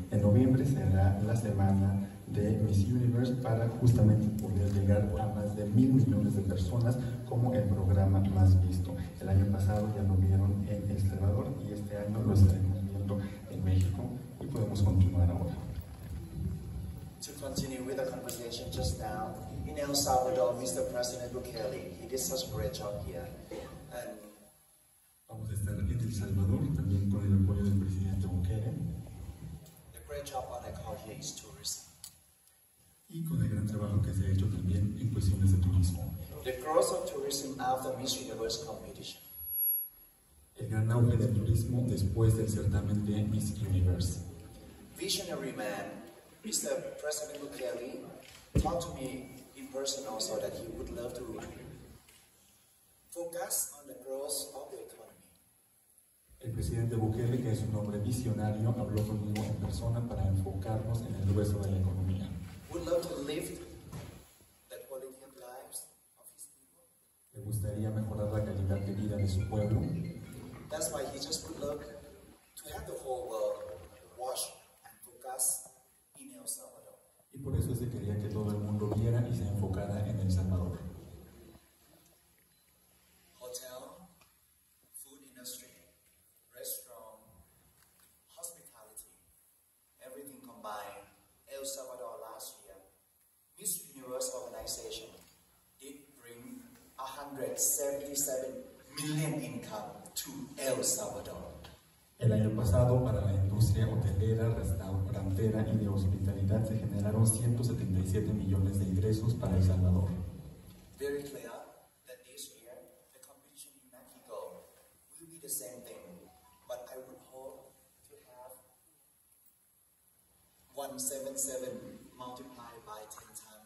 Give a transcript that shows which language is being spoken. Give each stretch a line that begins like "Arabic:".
Spanish: En noviembre será la semana de Miss Universe para justamente poder llegar a más de 1,000,000,000 de personas como el programa más visto. El año pasado ya lo vieron en El Salvador y este año lo estaremos viendo en México y podemos continuar ahora.
English: To continue with the conversation just now, in El Salvador, Mr. President Bukele, he did such a great job here.
Spanish: Vamos a estar en El Salvador también con el apoyo del presidente Bukele.
English: The great job what I call here is tourism.
Spanish: Y con el gran trabajo que se ha hecho también en cuestiones de turismo.
English: The growth of tourism after Miss Universe competition.
Spanish: El gran auge del turismo después del certamen de Miss Universe.
English: Visionary man, Mr. President Bukele, talked to me in person also that he would love to focus on the growth of the economy.
Spanish: El presidente Bukele, que es un hombre visionario, habló conmigo en persona para enfocarnos en el grueso de la economía.
English: Would love to lift the quality of lives of his people.
Spanish: Le gustaría mejorar la calidad de vida de su pueblo.
English: That's why he just would love to have the whole world watch and focus in El Salvador.
Spanish: Y por eso se quería que todo el mundo viera y se enfocara en El Salvador.
English: Hotel, food industry, restaurant, hospitality, everything combined, El Salvador last year. Miss Universe organization did bring 177 million income to El Salvador.
Spanish: El año pasado para la industria hotelera, restaurantera y de hospitalidad se generaron 177 millones de ingresos para El Salvador.
English: Very clear that this year the competition in Mexico will be the same thing, but I would hope to have 177 multiplied by 10 times.